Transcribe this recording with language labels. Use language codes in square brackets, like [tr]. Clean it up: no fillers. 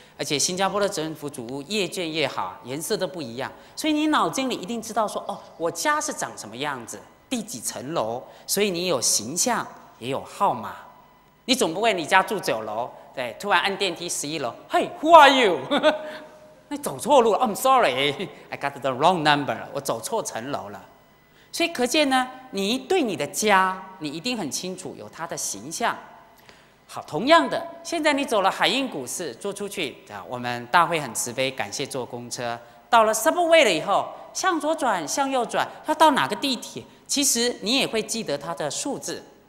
[zh] 而且新加坡的政府主屋越建越好，颜色都不一样，所以你脑筋里一定知道说，哦，我家是长什么样子，第几层楼，所以你有形象也有号码。你总不会你家住九楼，对，突然按电梯十一楼，嘿 ， [en] Who are you？ [zh] 你走错路了 ， [en] I'm sorry，I got the wrong number， [zh] 我走错层楼了。所以可见呢，你对你的家，你一定很清楚，有它的形象。好，同样的，现在你走了海印谷寺，坐出去，我们大会很慈悲，感谢坐公车，到了 Subway 了以后，向左转，向右转，要到哪个地铁，其实你也会记得它的数字。